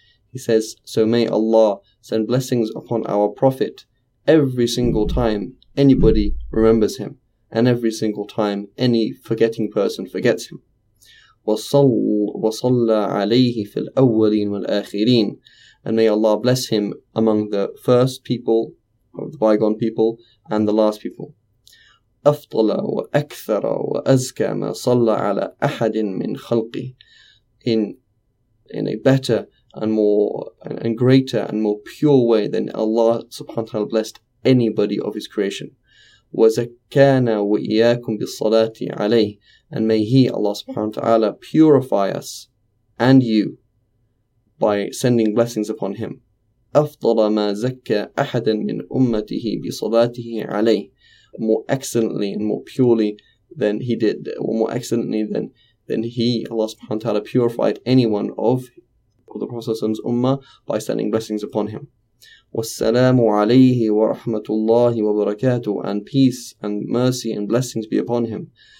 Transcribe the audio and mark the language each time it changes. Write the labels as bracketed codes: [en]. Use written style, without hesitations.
[en] He says, so may Allah send blessings upon our Prophet every single time anybody remembers him, and every single time any forgetting person forgets him. [ar] وَصَلَّ عَلَيْهِ فِي الْأَوَّلِينَ وَالْآخِرِينَ. [en] And may Allah bless him among the first people, of the bygone people, and the last people. [ar] أفضل وأكثر وأزكى ما صلى على أحد من خلقه. [en] In a better and more and greater and more pure way than Allah subhanahu wa ta'ala blessed anybody of his creation. [ar] وزكانا وإياكم بالصلاة عليه. [en] And may he, Allah subhanahu wa ta'ala, purify us and you by sending blessings upon him. [ar] أفضل ما زكى أحدا من أمته بصلاته عليه. [en] More excellently and more purely than he did, or more excellently than he, Allah subhanahu wa ta'ala, purified anyone of the Prophet's ummah by sending blessings upon him. [ar] Wassalamu alayhi wa rahmatullahi wa barakatuh, [en] and peace and mercy and blessings be upon him.